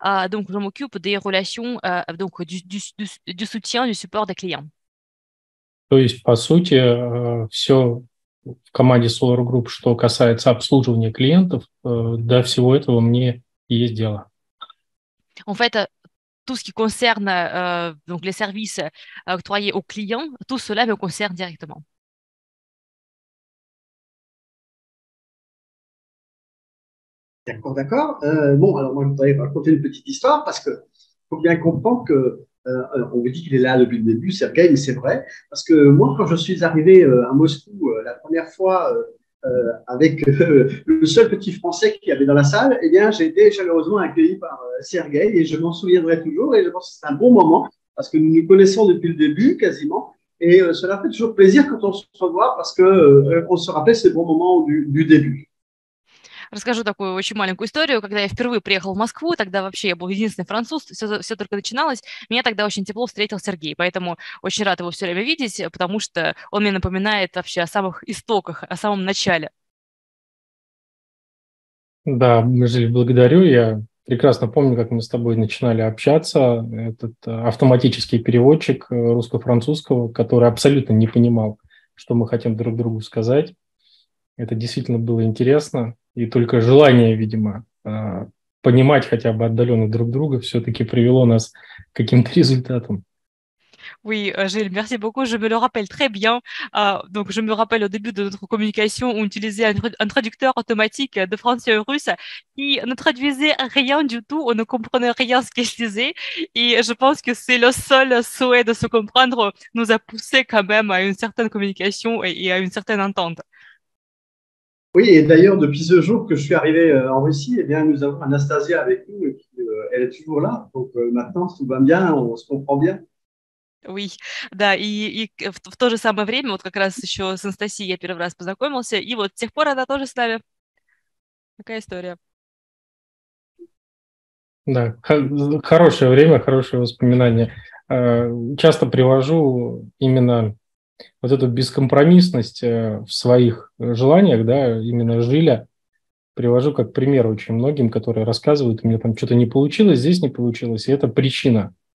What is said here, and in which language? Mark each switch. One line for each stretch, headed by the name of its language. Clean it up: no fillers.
French: Donc, je m'occupe des relations, donc du soutien, du support des clients.
Russian: То есть, по сути, все в команде Solar Group, что касается обслуживания клиентов, до всего этого мне есть дело.
French: En fait, tout ce qui concerne donc les services octroyés aux clients, tout cela me concerne directement. D'accord. Bon, alors moi, je voudrais raconter une petite histoire parce qu'il faut bien comprendre que, on vous dit qu'il est là depuis le début, Sergueï, mais c'est vrai. Parce que moi, quand je suis arrivé à Moscou la première fois avec le seul petit Français qu'il y avait dans la salle, eh bien, j'ai été chaleureusement accueilli par Sergueï et je m'en souviendrai toujours. Et je pense que c'est un bon moment parce que nous nous connaissons depuis le début quasiment. Et cela fait toujours plaisir quand on se revoit parce qu'on se rappelle ces bons moments du début.
Russian: Расскажу такую очень маленькую историю. Когда я впервые приехал в Москву, тогда вообще я был единственный француз, все только начиналось. Меня тогда очень тепло встретил Сергей, поэтому очень рад его все время видеть, потому что он мне напоминает вообще о самых истоках, о самом начале. Да, Жиль, благодарю. Я прекрасно помню, как мы с тобой начинали общаться. Этот автоматический переводчик русско-французского, который абсолютно не понимал, что мы хотим друг другу сказать. Это действительно было интересно. И только желание, видимо, понимать хотя бы отдаленно друг друга все-таки привело нас к каким-то результатам.
French: Oui, Gilles, merci beaucoup. Je me le rappelle très bien. Donc, je me rappelle au début de notre communication, on utilisait un traducteur automatique de français au russe qui ne traduisait rien du tout. On ne comprenait rien ce qu'il disait. Et je pense que c'est le seul souhait de se comprendre nous a poussé quand même à une certaine communication et à une certaine entente. Oui, et d'ailleurs, depuis ce jour que je suis arrivé en Russie, eh bien, nous avons Anastasia avec nous et puis, elle est toujours là. Donc, maintenant, tout va bien, on se comprend bien.
Russian: Oui, да, и в то же самое время, вот как раз еще с Анастасией я первый раз познакомился, и вот с тех пор она тоже с нами. Такая история. Да, хорошее время, хорошее воспоминание. Часто привожу именно вот эту бескомпромиссность в своих желаниях, да, именно Жиля, привожу как пример очень многим, которые рассказывают, у меня там что-то не получилось, здесь не получилось, и это причина.